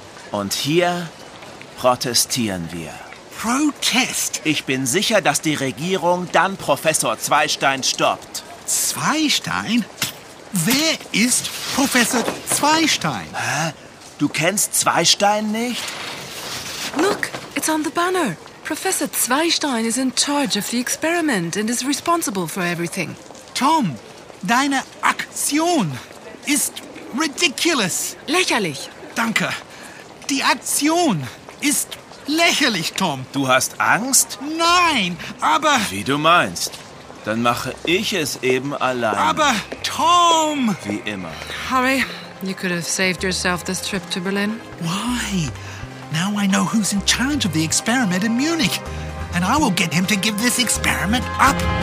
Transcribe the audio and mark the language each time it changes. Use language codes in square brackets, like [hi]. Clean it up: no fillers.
[de] Und hier protestieren wir. Protest? Ich bin sicher, dass die Regierung dann Professor Zweistein stoppt. Zweistein? Wer ist Professor Zweistein? Hä? Du kennst Zweistein nicht? [en] Look, it's on the banner. Professor Zweistein is in charge of the experiment and is responsible for everything. [de] Tom, deine Aktion ist ridiculous. Lächerlich. Danke. Die Aktion ist lächerlich, Tom. Du hast Angst? Nein, aber... Wie du meinst. Dann mache ich es eben allein. Aber Tom! Wie immer. [en] Harry, you could have saved yourself this trip to Berlin. Why? Now I know who's in charge of the experiment in Munich. And I will get him to give this experiment up.